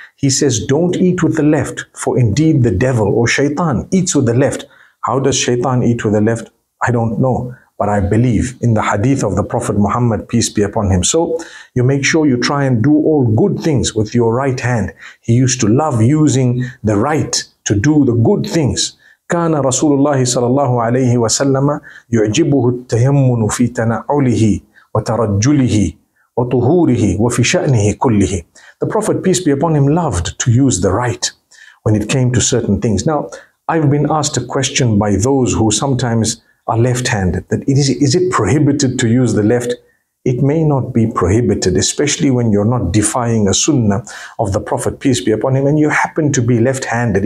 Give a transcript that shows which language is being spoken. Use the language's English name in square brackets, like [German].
[English] He says, don't eat with the left, for indeed the devil or shaitan eats with the left. How does shaitan eat with the left? I don't know. But I believe in the hadith of the Prophet Muhammad, peace be upon him. So you make sure you try and do all good things with your right hand. He used to love using the right to do the good things. [Arabic] كان رسول الله صلى الله عليه وسلم يعجبه التيمن في تنعله وترجله وطهوره وفي شأنه كله. [English] The Prophet, peace be upon him, loved to use the right when it came to certain things. Now, I've been asked a question by those who sometimes are left-handed, that is it prohibited to use the left? It may not be prohibited, especially when you're not defying a sunnah of the Prophet, peace be upon him, and you happen to be left-handed.